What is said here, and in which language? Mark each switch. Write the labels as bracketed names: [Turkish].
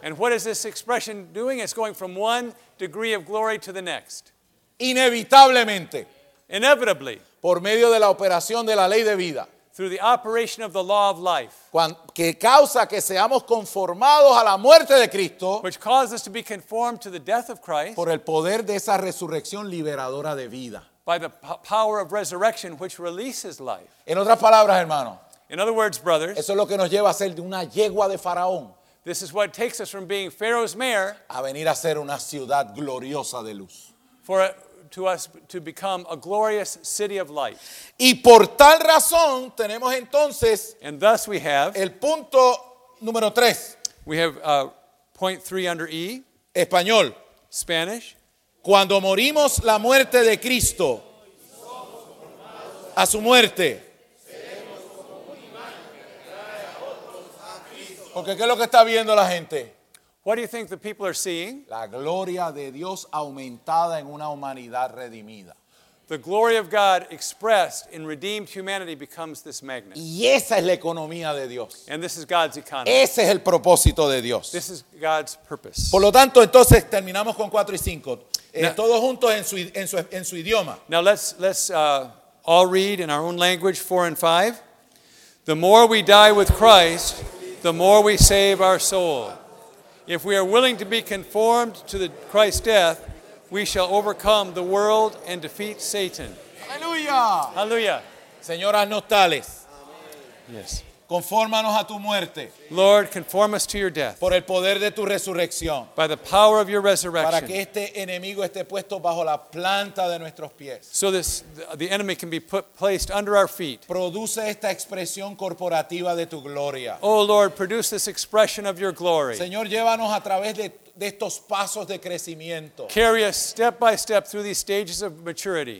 [English] And what is this expression doing? It's going from one degree of glory to the next. [Spanish] Inevitablemente. [English] Inevitably. [Spanish] Por medio de la operación de la ley de vida. [English] Through the operation of the law of life. [Spanish] Que causa que seamos conformados a la muerte de Cristo. [English] Which causes us to be conformed to the death of Christ. [Spanish] Por el poder de esa resurrección liberadora de vida. [English] By the power of resurrection which releases life. [Spanish] En otras palabras, hermano. [English] In other words, brothers. [Spanish] Eso es lo que nos lleva a ser de una yegua de faraón. [English] This is what takes us from being Pharaoh's mare. [Spanish] A venir a ser una ciudad gloriosa de luz. [English] To us to become a glorious city of light. [Spanish] Y por tal razón tenemos entonces. [English] And thus we have. [Spanish] El punto número tres. [English] We have point three under E. [Spanish] Español. [English] Spanish. [Spanish] Cuando morimos la muerte de Cristo. A su muerte. Porque qué es lo que está viendo la gente. [English] What do you think the people are seeing? [Spanish] La gloria de Dios aumentada en una humanidad redimida. [English] The glory of God expressed in redeemed humanity becomes this magnet. [Spanish] Y esa es la economía de Dios. [English] And this is God's economy. [Spanish] Ese es el propósito de Dios. [English] This is God's purpose. [Spanish] Por lo tanto, entonces terminamos con 4 y 5. Todos juntos en su idioma. [English] Now let's all read in our own language 4 and 5. The more we die with Christ, the more we save our soul. If we are willing to be conformed to Christ's death, we shall overcome the world and defeat Satan. Hallelujah. Hallelujah. [Spanish] Señor, haznos tales. [English] Yes. [Spanish] Confórmanos a tu muerte. [English] Lord, conform us to your death. [Spanish] Por el poder de tu resurrección. [English] By the power of your resurrection. [Spanish] Para que este enemigo esté puesto bajo la planta de nuestros pies. [English] So this the enemy can be placed under our feet. [Spanish] Produce esta expresión corporativa de tu gloria. [English] Oh Lord, produce this expression of your glory. [Spanish] Señor, llévanos a través de estos pasos de crecimiento. [English] Carry us step by step through these stages of maturity.